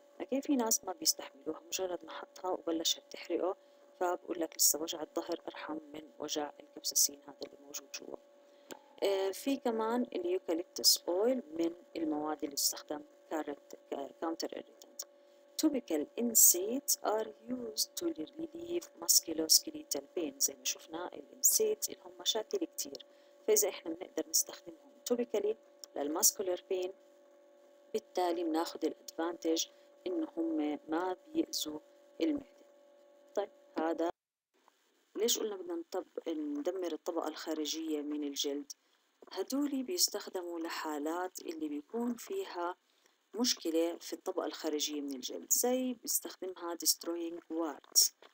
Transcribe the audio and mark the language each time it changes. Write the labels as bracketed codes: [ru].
[ar] لكن في ناس ما بيستحملوها، مجرد ما حطها وبلشت تحرقه، فبقول لك لسه وجع الظهر أرحم من وجع الكبسسين هذا اللي موجود جوا. في كمان اليوكاليبتس أويل من المواد اللي استخدم كاونتر إيريتانت. [en] Topical NSAIDs are used to relieve musculoskeletal pain. [ar] زي ما شفنا الNSAIDs لهم مشاكل كتير، فإذا إحنا بنقدر نستخدمهم topically للmuscular pain بالتالي بناخد الأدفانتج إنهم ما بيأذوا المعدة. طيب هذا ليش قلنا بدنا ندمر الطبقة الخارجية من الجلد؟ هدولي بيستخدموا لحالات اللي بيكون فيها مشكلة في الطبقة الخارجية من الجلد، زي بيستخدمها [en] destroying warts.